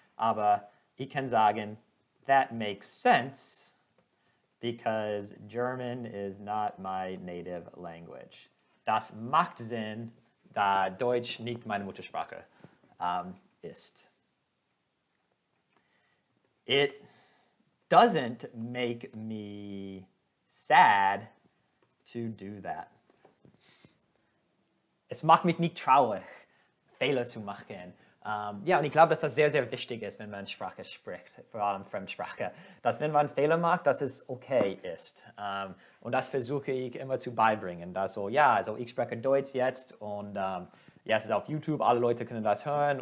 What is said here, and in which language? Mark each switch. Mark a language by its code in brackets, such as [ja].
[de] Aber ich kann sagen, [en] that makes sense because German is not my native language. [de] Das macht Sinn, da Deutsch nicht meine Muttersprache ist. [en] It doesn't make me sad to do that. [de] Es macht mich nicht traurig, Fehler zu machen. Und ich glaube, dass das sehr, sehr wichtig ist, wenn man Sprache spricht, vor allem Fremdsprache. Dass wenn man Fehler macht, dass es okay ist. Und das versuche ich immer zu beibringen. Dass so, ich spreche Deutsch jetzt und es ist auf YouTube, alle Leute können das hören.